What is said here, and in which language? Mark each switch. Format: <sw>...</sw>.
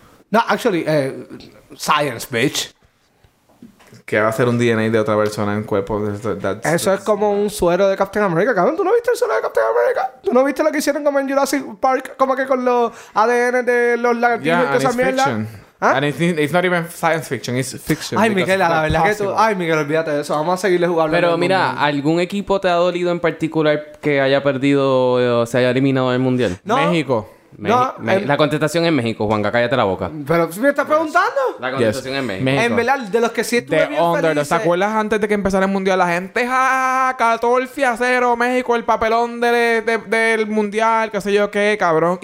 <en>No, actually, science, bitch.</en> <es>Que va a ser un DNA de otra persona en cuerpo. Eso es como un suero de Captain America. Cabrón, ¿tú no viste el suero de Captain America? ¿Tú no viste lo que hicieron como en Jurassic Park? Como que con los ADN de los lagartijos y esa mierda.</es> <en>¿Ah? And it's not even science fiction, it's fiction.</en> <es>Ay, Miguel, la verdad que tú. Ay, Miguel, olvídate de eso. Vamos a seguirle jugando. Pero mira, ¿algún equipo te ha dolido en particular que haya perdido o se haya eliminado del mundial? No. México. La contestación es México, Juanca, cállate la boca. Pero si me estás preguntando. La contestación es México. En verdad, de los que sí estuve bien felices. ¿Te acuerdas antes de que empezara el mundial? La gente, 14-0 México, el papelón del mundial, qué sé yo qué, cabrón.</es>